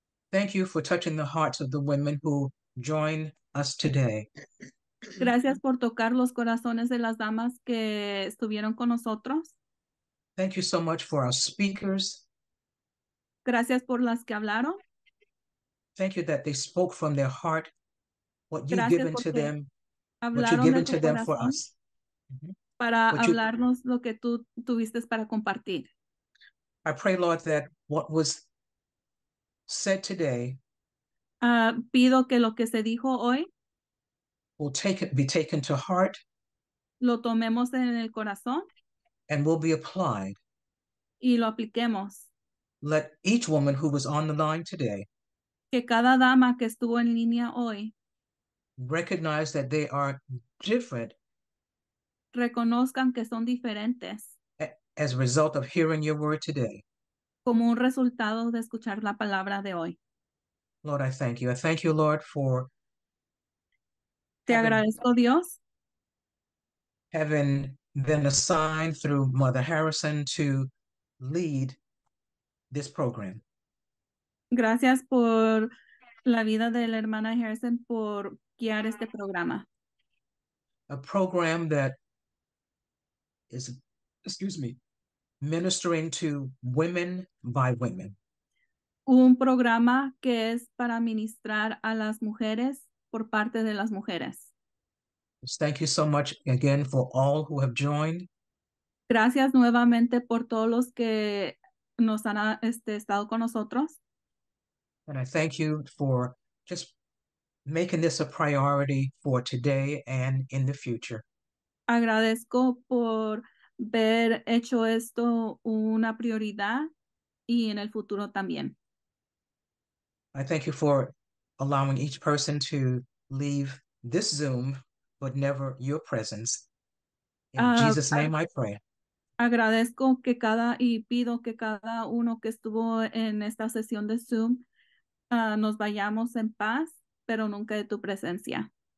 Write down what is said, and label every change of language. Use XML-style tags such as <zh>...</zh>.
<en>Thank you for touching the hearts of the women who join us today.</en> <es>Gracias por tocar los corazones de las damas que estuvieron con nosotros.</es> <en>Thank you so much for our speakers.</en> <es>Gracias por las que hablaron.</es> <en>Thank you that they spoke from their heart what you've given to them. What you've given to them for us. Mm-hmm.</en> <es>Para hablarnos lo que tú tuviste para compartir.</es> <en>I pray, Lord, that what was said today.</en> <es>Pido que lo que se dijo hoy.</es> <en>Will be taken to heart.</en> <es>Lo tomemos en el corazón.</es> <en>And will be applied.</en> <es>Y lo apliquemos.</es> <en>let each woman who was on the line today</en> <es>que cada dama que estuvo en línea hoy</es> <en>recognize that they are different</en> <es>reconozcan que son diferentes</es> <en>as a result of hearing your word today.</en> <es>Como un resultado de escuchar la palabra de hoy.</es> <en>Lord, I thank you. I thank you, Lord, for</en> <es>te agradezco, Dios.</es> <en>Having been assigned through Mother Harrison to lead this program.</en> <es>Gracias por la vida de la hermana Harrison por guiar este programa.</es> <en>A program that is, excuse me, ministering to women by women.</en> <es>Un programa que es para ministrar a las mujeres por parte de las mujeres.</es> <en>Thank you so much again for all who have joined.</en> <es>Gracias nuevamente por todos los que nos han estado con nosotros.</es> <en>And I thank you for just making this a priority for today and in the future.</en> <es>Agradezco por haber hecho esto una prioridad y en el futuro también.</es> <en>I thank you for allowing each person to leave this Zoom, but never your presence. In Jesus' name I pray.</en> <es>Agradezco que cada y pido que cada uno que estuvo en esta sesión de Zoom nos vayamos en paz, pero nunca de tu presencia.</es>